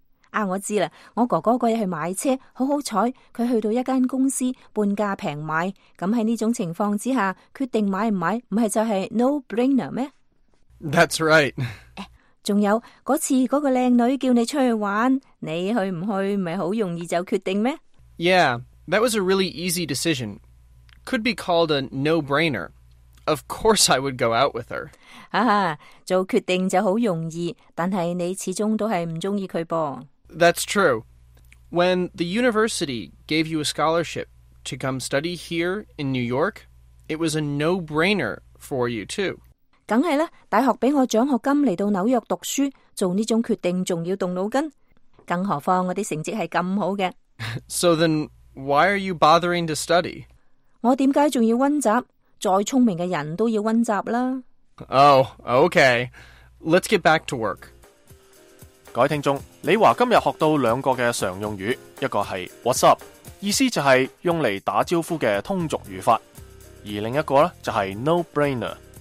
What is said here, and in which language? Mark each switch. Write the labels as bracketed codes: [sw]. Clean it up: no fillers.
[yue] 啊，我知啦，我哥哥嗰日去买车，好彩佢去到一间公司半价平买，咁喺呢种情况之下，决定买唔买，唔系就系 no brainer 咩 [en] ？That's right. [yue] 仲有嗰次嗰个靓女叫你出去玩，你去唔去咪好容易就决定咩 [en] ？Yeah, that was a really easy decision. Could be called a no-brainer. Of course, I would go out with her. [yue] 哈哈，做决定就好容易，但系你始终都系唔中意佢噃。 [en] That's true. When the university gave you a scholarship to come study here in New York, it was a no-brainer for you too. [yue] 梗系啦，大学俾我奖学金嚟到纽约读书，做呢种决定仲要动脑筋，更何况我啲成绩系咁好嘅。 [en] So then, why are you bothering to study? [yue] 我点解仲要温习？再聪明嘅人都要温习啦。 [en] Oh, okay. Let's get back to work. [yue] 各位听众，李华今日学到两个嘅常用语，一个系 What's up，意思就系用嚟打招呼嘅通俗语法，而另一个咧就系 No brainer。